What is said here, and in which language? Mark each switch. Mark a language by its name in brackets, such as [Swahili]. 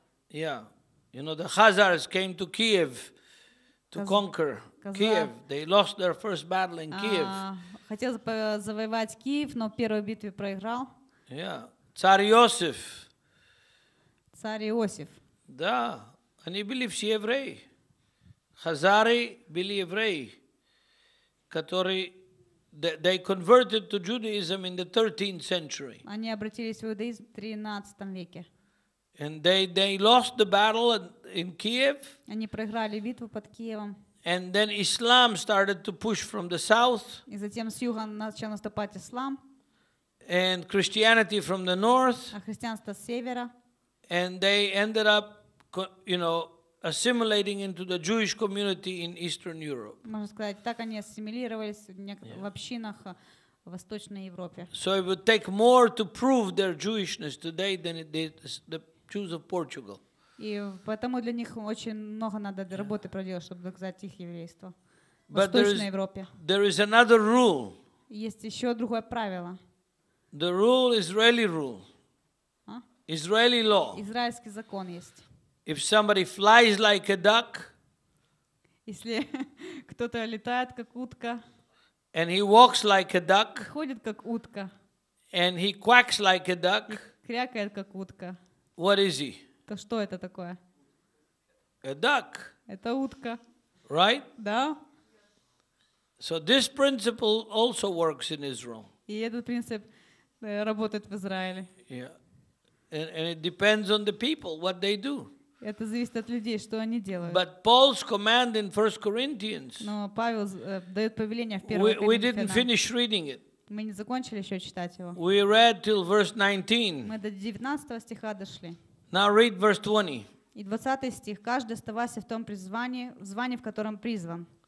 [English] Yeah, you know the Khazars came to Kiev to conquer Kiev. They lost their first battle in Kiev. [Russian] Хотел завоевать Киев, но в первой битве проиграл. Yeah, царь Иосиф. Царь Иосиф. Да, они были все евреи. Хазары были евреи, которые [English] they converted to Judaism in the 13th century. [Russian] Они обратились в иудаизм в 13 веке. [English] And they lost the battle in Kiev. [Russian] Они проиграли битву под Киевом. [English] And then Islam started to push from the south. [Russian] И затем с юга начал наступать ислам. [English] And Christianity from the north. [Russian] А христианство с севера. [English] And they ended up, you know, assimilating into the Jewish community in Eastern Europe. [Russian] Можно сказать, так они ассимилировались в общинах в Восточной Европе. [English] So it would take more to prove their Jewishness today than it did the Jews of Portugal. [Russian] И поэтому для них очень много надо работы проделать, чтобы доказать их еврейство в Восточной Европе. [English] There is another rule. [Russian] Есть еще другое правило. [English] The rule, Israeli rule. Israeli law. [Russian] Израильский закон есть. [English] If somebody flies like a duck, [Russian] если кто-то летает как утка, [English] and he walks like a duck, [Russian] ходит как утка, [English] and he quacks like a duck, [Russian] крякает как утка, [English] what is he? [Russian] То что это такое? [English] A duck. [Russian] Это утка. [English] Right? [Russian] Да. [English] So this principle also works in Israel. [Russian] И этот принцип работает в Израиле. [English] Yeah. And it depends on the people what they do. [Russian] Это зависит от людей, что они делают. [English] But Paul's command in 1 Corinthians. [Russian] Но Павел дает повеление в 1 [English] Коринфянам. We didn't finish reading it. [Russian] Мы не закончили еще читать его. [English] We read till verse 19. [Russian] Мы до 19 стиха дошли. [English] Now read verse 20. [Russian] И 20 стих: каждый оставайся в том призвании, в звании, в котором призван.